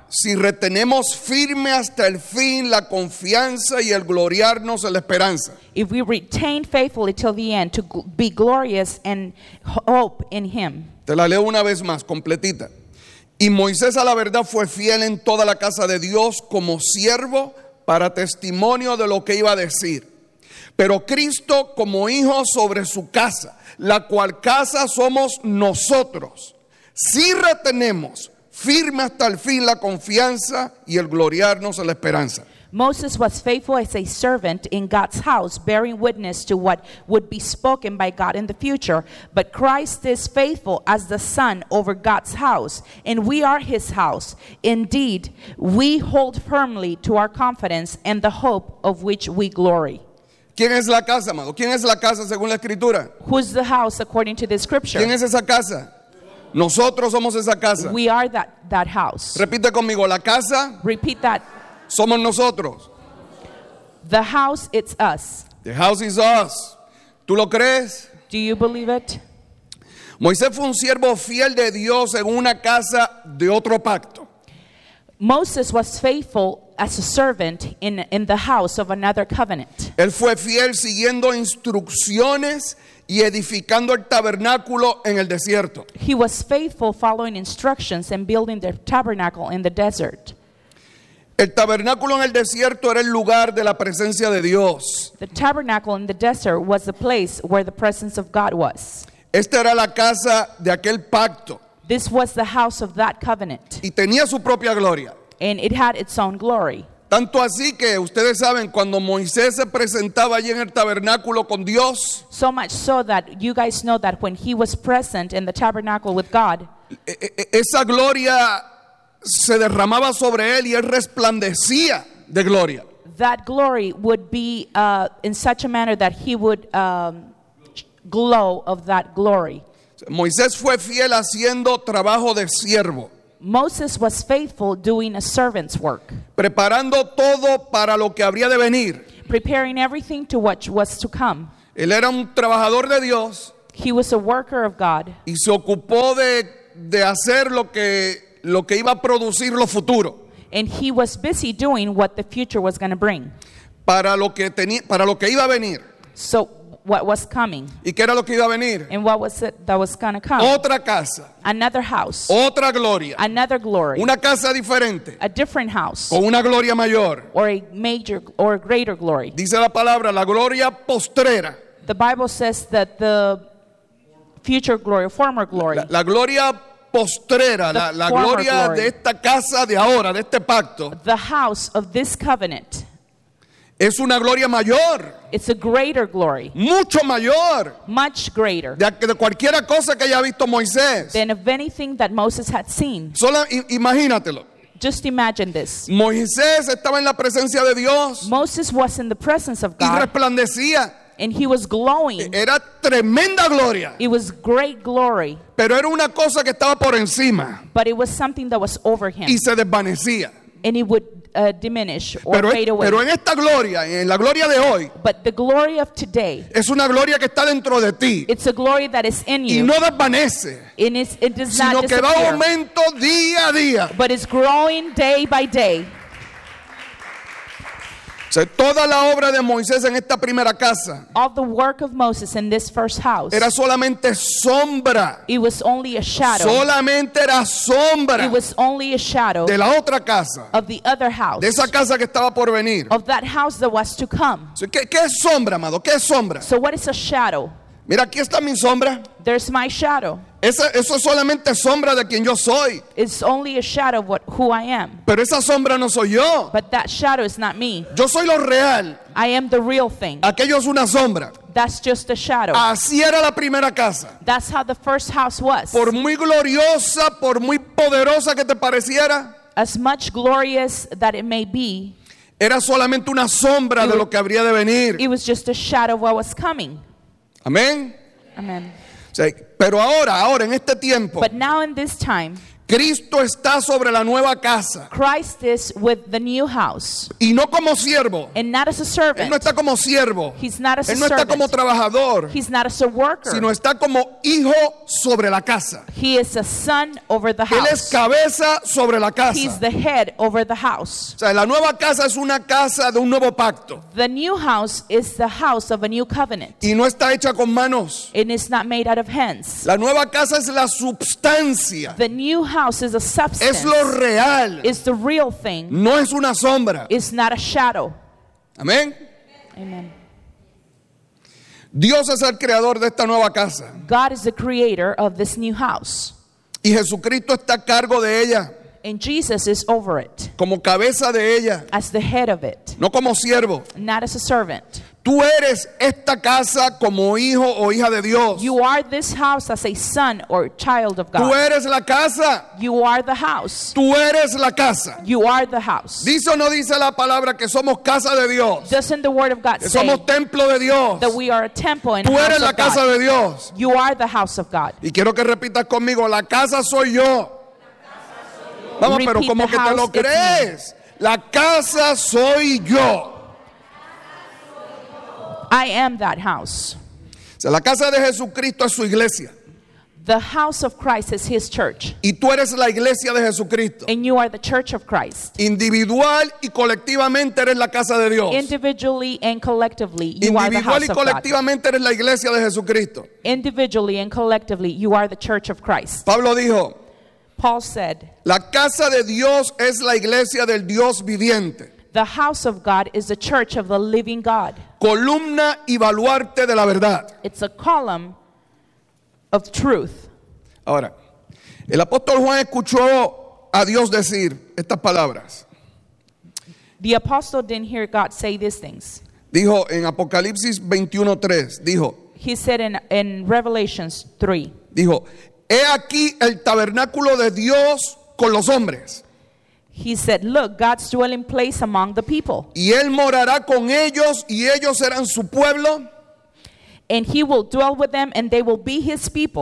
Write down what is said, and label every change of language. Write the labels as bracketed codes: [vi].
[es] Si retenemos firme hasta el fin la confianza y el gloriarnos en la esperanza. [en] If we retain faithfully till the end to be glorious and hope in him. [es] Te la leo una vez más, completita. Y Moisés a la verdad fue fiel en toda la casa de Dios como siervo para testimonio de lo que iba a decir. Pero Cristo como hijo sobre su casa, la cual casa somos nosotros, si retenemos firme hasta el fin la confianza y el gloriarnos en la esperanza. [en] Moses was faithful as a servant in God's house, bearing witness to what would be spoken by God in the future. But Christ is faithful as the son over God's house, and we are his house. Indeed, we hold firmly to our confidence and the hope of which we glory. [es] ¿Quién es la casa, amado? ¿Quién es la casa según la escritura? [en] Who's the house according to the scripture? [es] ¿Quién es esa casa? Nosotros somos esa casa. [en] We are that house. [es] Repite conmigo, la casa. [en] Repeat that. [es] Somos nosotros. [en] The house, it's us. The house is us. [es] ¿Tú lo crees? [en] Do you believe it? [es] Moisés fue un siervo fiel de Dios en una casa de otro pacto. [en] Moses was faithful as a servant in the house of another covenant. [es] Él fue fiel siguiendo instrucciones y edificando el tabernáculo en el desierto. [en] He was faithful following instructions and building the tabernacle in the desert. [es] El tabernáculo en el desierto era el lugar de la presencia de Dios. [en] The tabernacle in the desert was the place where the presence of God was. [es] Esta era la casa de aquel pacto. [en] This was the house of that covenant. [es] Y tenía su propia gloria. [en] And it had its own glory. [es] Tanto así que ustedes saben cuando Moisés se presentaba allí en el tabernáculo con Dios. [en] So much so that you guys know that when he was present in the tabernacle with God. [es] Esa gloria se derramaba sobre él y él resplandecía de gloria. [en] That glory would be in such a manner that he would glow of that glory. [es] Moisés fue fiel haciendo trabajo de siervo. [en] Moses was faithful doing a servant's work. [es] Preparando todo para lo que habría de venir. [en] Preparing everything to what was to come. [es] Él era un trabajador de Dios. [en] He was a worker of God. [es] Y se ocupó de hacer lo que iba a producir lo futuro. [en] And he was busy doing what the future was going to bring. [es] Para lo que iba a venir. [en] So what was coming. [es] ¿Y qué era lo que iba a venir? [en] And what was it that was going to come? [es] Otra casa. [en] Another house. [es] Otra gloria. [en] Another glory. [es] Una casa diferente. [en] A different house. [es] Con una gloria mayor. [en] Or a major or a greater glory. [es] Dice la palabra, la gloria postrera. [en] The Bible says that the future glory, former glory. [es] La gloria postrera, la gloria de esta casa de ahora, de este pacto. [en] The house of this covenant. [es] Es una gloria mayor. [en] It's a greater glory. [es] Mucho mayor. [en] Much greater. [es] De cualquiera cosa que haya visto Moisés. [en] Than of anything that Moses had seen. [es] Solo imagínatelo. [en] Just imagine this. [es] Moisés estaba en la presencia de Dios. [en] Moses was in the presence of God. [es] Y resplandecía. [en] And he was glowing. [es] Era tremenda gloria. [en] It was great glory. [es] Pero era una cosa que estaba por encima. [en] But it was something that was over him. [es] Y se desvanecía. [en] And it would diminish or [es] pero, [en] fade away. [es] Pero en esta gloria, en la gloria de hoy, [en] but the glory of today [es] es una gloria que está dentro de ti. [en] It's a glory that is in you. [es] Y no desvanece. [en] And it's, it does [es] sino [en] not disappear. [es] Que va aumento día a día. [en] But it's growing day by day. [es] Toda la obra de Moisés en esta primera casa. [en] All the work of Moses in this first house. [es] Era solamente sombra. [en] It was only a shadow. [es] Solamente era sombra. [en] It was only a shadow. [es] De la otra casa. [en] Of the other house. [es] De esa casa que estaba por venir. [en] Of that house that was to come. [es] ¿Qué es sombra, amado? ¿Qué es sombra? [en] So what is a shadow? [es] Mira, aquí está mi sombra. [en] There's my shadow. [es] Eso es solamente sombra de quien yo soy. [en] It's only a shadow of who I am. [es] Pero esa sombra no soy yo. [en] But that shadow is not me. [es] Yo soy lo real. [en] I am the real thing. [es] Aquello es una sombra. [en] That's just a shadow. [es] Así era la primera casa. [en] That's how the first house was. [es] Por muy gloriosa, por muy poderosa que te pareciera. [en] As much glorious that it may be. [es] Era solamente una sombra de lo que habría de venir. [en] It was just a shadow of what was coming. [es] Amén. [en] Amén. [es] Sí. Pero ahora en este tiempo, [en] but now in this time, [es] Cristo está sobre la nueva casa. [en] Christ is with the new house. [es] Y no como siervo. [en] And not as a servant. [es] Él no está como siervo. [en] He's not as a servant. [es] Él no está como trabajador. [en] He's not as a worker. [es] Sino está como hijo sobre la casa. [en] He is a son over the house. [es] Él es cabeza sobre la casa. [en] He's the head over the house. [es] O sea, la nueva casa es una casa de un nuevo pacto. [en] The new house is the house of a new covenant. [es] Y no está hecha con manos. [en] And it's not made out of hands. [es] La nueva casa es la substancia. [en] The new house is a substance. [es] Es lo real. [en] It's the real thing. [es] No es una sombra. [en] It's not a shadow. [es] Amén. [en] Amen. [es] Dios es el creador de esta nueva casa. [en] God is the creator of this new house. [es] Y Jesucristo está a cargo de ella. [en] And Jesus is over it. [es] Como cabeza de ella. [en] As the head of it. [es] No como siervo. [en] Not as a servant. [es] Tú eres esta casa como hijo o hija de Dios. [en] You are this house as a son or child of God. [es] Tú eres la casa. [en] You are the house. [es] Tú eres la casa. [en] You are the house. [es] ¿Dice o no dice la palabra que somos casa de Dios? [en] Doesn't the word of God [es] que [en] say [es] somos templo de Dios? [en] That we are a temple and [es] tú eres [en] house [es] la [en] of [es] casa [en] God. [es] De Dios. [en] You are the house of God. [es] Y quiero que repitas conmigo, la casa soy yo. Vamos, [en] repeat, [es] pero como que te lo crees. La casa soy yo. [en] I am that house. [es] So, la casa de Jesucristo es su iglesia. [en] The house of Christ is his church. [es] Y tú eres la iglesia de Jesucristo. [en] And you are the church of Christ. [es] Individual y colectivamente eres la casa de Dios. [en] Individually and collectively, you [es] individual [en] are the house of God. [es] Individual y colectivamente eres la iglesia de Jesucristo. [en] Individually and collectively, you are the church of Christ. [es] Pablo dijo, [en] Paul said, [es] la casa de Dios es la iglesia del Dios viviente. [en] The house of God is the church of the living God. [es] Columna y baluarte de la verdad. [en] It's a column of truth. [es] Ahora, el apóstol Juan escuchó a Dios decir estas palabras. [en] The apostle didn't hear God say these things. [es] Dijo en Apocalipsis 21:3, dijo. [en] He said in Revelations 3. [es] Dijo, he aquí el tabernáculo de Dios con los hombres. [en] He said, look, God's dwelling place among the people. [es] Y él morará con ellos y ellos serán su pueblo. [en] And he will dwell with them and they will be his people.